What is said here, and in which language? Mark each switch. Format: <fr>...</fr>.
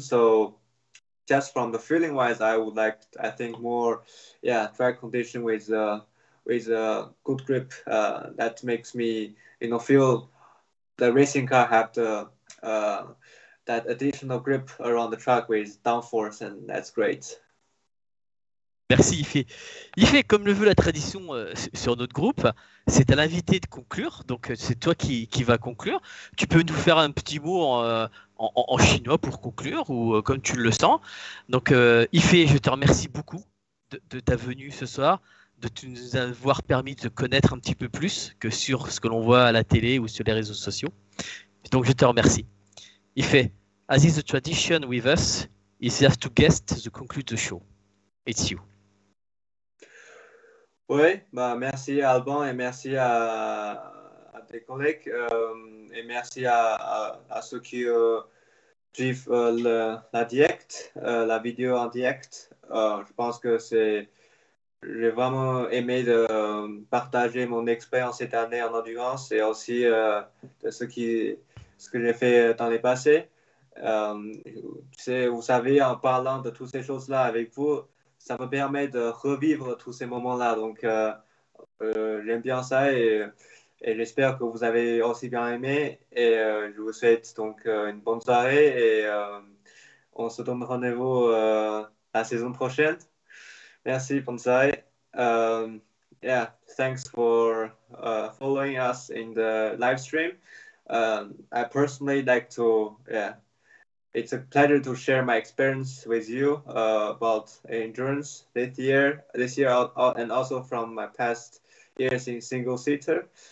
<en>So just from the feeling wise, I would like, I think more, yeah, track condition with a good grip that makes me, you know, feel the racing car have the that additional grip around the track with downforce, and that's great.</en> <fr>Merci Yiffé. Yiffé, comme le veut la tradition sur notre groupe, c'est à l'invité de conclure, donc c'est toi qui va conclure. Tu peux nous faire un petit mot en chinois pour conclure, ou comme tu le sens. Donc Yiffé, je te remercie beaucoup de ta venue ce soir, de nous avoir permis de connaître un petit peu plus que sur ce que l'on voit à la télé ou sur les réseaux sociaux. Donc je te remercie.</fr> <en>Yiffé, as is the tradition with us, is have to guest to conclude the show. It's you.</en> <fr>Oui, bah merci à Alban et merci à tes collègues et merci à ceux qui suivent la direct, la vidéo en direct. Je pense que j'ai vraiment aimé de partager mon expérience cette année en endurance et aussi de ce que j'ai fait dans les passés. Vous savez, en parlant de toutes ces choses-là avec vous, ça me permet de revivre tous ces moments-là. Donc, j'aime bien ça et j'espère que vous avez aussi bien aimé. Et je vous souhaite donc une bonne soirée et on se donne rendez-vous la saison prochaine. Merci, bonne soirée.</fr> <en>Yeah, thanks for following us in the live stream. I personally like to, yeah, it's a pleasure to share my experience with you about endurance this year and also from my past years in single seater.</en>